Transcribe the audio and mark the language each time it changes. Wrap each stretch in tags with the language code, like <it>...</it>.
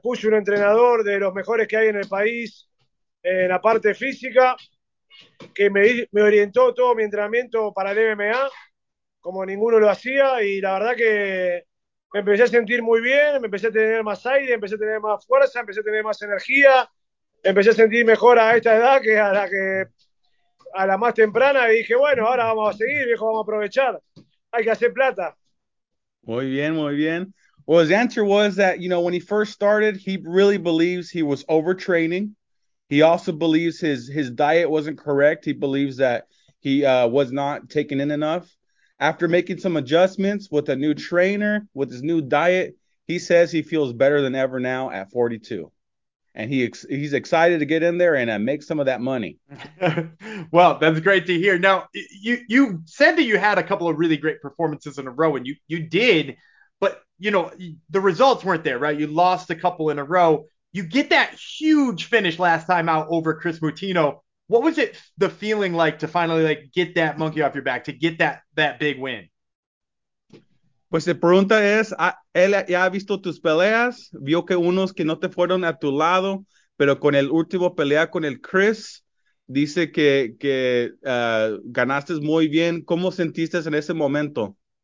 <es>Puse un entrenador de los mejores que hay en el país, en la parte física, que me orientó todo mi entrenamiento para el MMA, como ninguno lo hacía, y la verdad que me empecé a sentir muy bien, me empecé a tener más aire, empecé a tener más fuerza, empecé a tener más energía, empecé a sentir mejor a esta edad que a la que a la más temprana, y dije, bueno, ahora vamos a seguir, viejo, vamos a aprovechar. Hay que hacer plata. Muy bien, muy bien.</es> <en>Well, his answer was that, you know, when he first started, he really believes he was overtraining. He also believes his diet wasn't correct. He believes that he was not taking in enough. After making some adjustments with a new trainer, with his new diet, he says he feels better than ever now at 42. And he's excited to get in there and make some of that money. Well, that's great to hear. Now, you said that you had a couple of really great performances in a row, and you did, but, you know, the results weren't there, right? You lost a couple in a row. You get that huge finish last time out over Chris Moutinho. What was it, the feeling like to finally, like, get that monkey off your back, to get that big win?</en> <es>Pues la pregunta es, él ya ha visto tus peleas, vio que unos que no te fueron a tu lado, pero con el último pelea con el Chris, dice que ganaste muy bien. ¿Cómo sentiste en ese momento?</es>